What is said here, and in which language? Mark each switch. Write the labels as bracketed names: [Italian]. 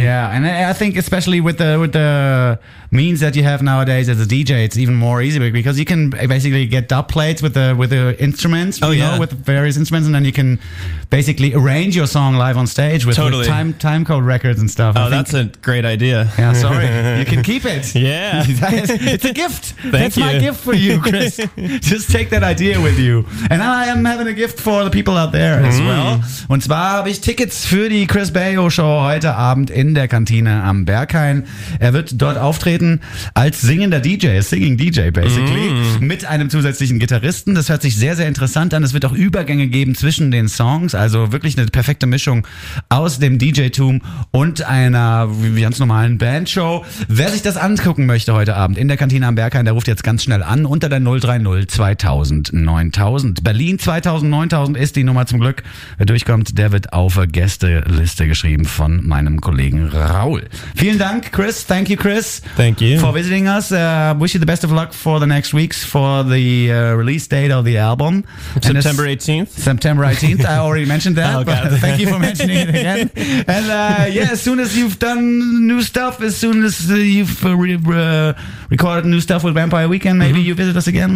[English] Yeah, and I think especially with the means that you have nowadays as a DJ, it's even more easy because you can basically get dub plates with the instruments, know, with various instruments, and then you can basically arrange your song live on stage with time code records and stuff. Oh, that's a great idea. Yeah, sorry. You can keep it. Yeah. It's a gift. That's my gift for you, Chris. Just take that idea with you. And I am having a gift for the people out there as well. [German] Und zwar habe ich Tickets für die Chris Bayo Show heute Abend in der Kantine am Berghain. Er wird dort auftreten als singender DJ, [English] singing DJ basically, [German] mit einem zusätzlichen Gitarristen. Das hört sich sehr, sehr interessant an. Es wird auch Übergänge geben zwischen den Songs. Also wirklich eine perfekte Mischung aus dem DJ-Tum und einer ganz normalen Bandshow. Wer sich das angucken möchte heute Abend in der Kantine am Berghain, der ruft jetzt ganz schnell an unter der 030 2000 9000. Berlin 2000 9000 ist die Nummer zum Glück. Wer durchkommt, der wird auf der Gästeliste geschrieben von meinem Kollegen Raul. Vielen Dank, Chris. [English] Thank you, Chris. Thank you. For visiting us. Wish you the best of luck for the next weeks for the release date of the album. September 18th. September 18th. I already mentioned that, but thank you for mentioning it again. And as soon as you've done new stuff, as soon as you've recorded new stuff with Vampire Weekend, maybe you visit us again.